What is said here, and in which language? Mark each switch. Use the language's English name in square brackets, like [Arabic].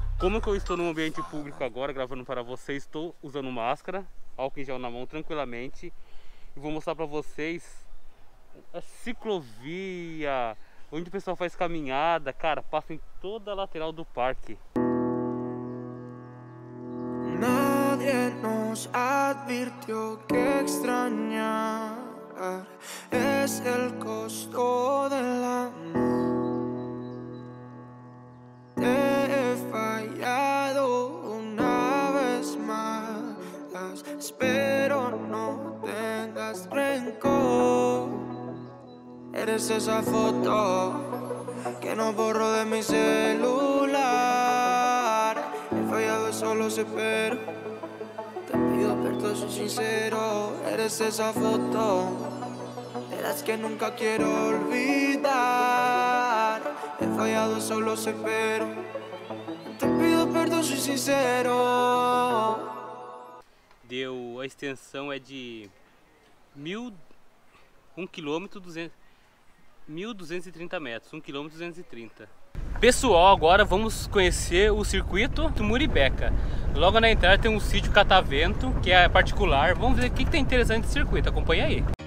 [Portuguese] Como que eu estou num ambiente público agora, gravando para vocês, estou usando máscara, álcool em gel na mão, tranquilamente. E vou mostrar para vocês a ciclovia, onde o pessoal faz caminhada, cara, passa em toda a lateral do parque. [Spanish] Nadie nos advirtió que extrañar es el costo del amor. Te he fallado una vez más, espero no tengas rencor. Eres esa foto que no borro de mi celular. He fallado, solo se espero, te pido perdón, soy sincero. Eres esa foto de las que nunca quiero olvidar. He fallado, solo sé, pero te pido perdón, soy sincero. [Portuguese] Deu, a extensão é de 1230 metros, 1230 km. Pessoal, agora vamos conhecer o circuito do Muribeca. Logo na entrada tem um sítio Catavento, que é particular. Vamos ver o que tem interessante nesse circuito, acompanha aí.